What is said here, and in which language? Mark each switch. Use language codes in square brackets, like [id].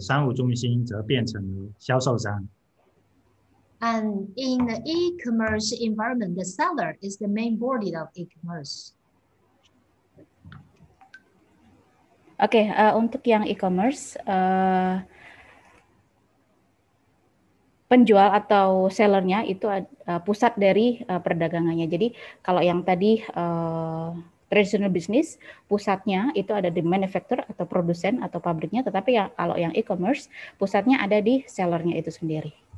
[zh] 在电子商务环境下的商务中心则变成销售商。 [en] And in the e-commerce environment, the seller is the main body of e-commerce. [id] Okay, untuk yang e-commerce, penjual atau sellernya itu pusat dari perdagangannya. Jadi kalau yang tadi traditional business, pusatnya itu ada di manufacturer atau produsen atau pabriknya, tetapi ya, kalau yang e-commerce, pusatnya ada di sellernya itu sendiri.